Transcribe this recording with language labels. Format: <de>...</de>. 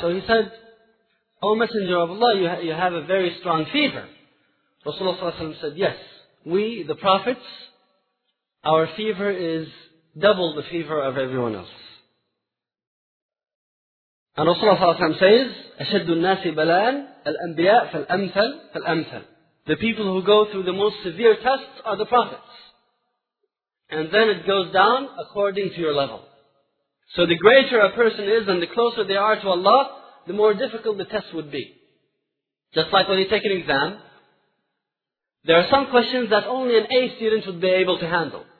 <en>So he said, O Messenger of Allah, you have a very strong fever. Rasulullah ﷺ said, yes, we, the prophets, our fever is double the fever of everyone else. And Rasulullah ﷺ says,</en> <ar>أشد الناس بلاء الأنبياء فالأمثل فالأمثل.</ar> <en>The people who go through the most severe tests are the prophets. And then it goes down according to your level. So the greater a person is and the closer they are to Allah, the more difficult the test would be. Just like when you take an exam, there are some questions that only an A student would be able to handle.</en>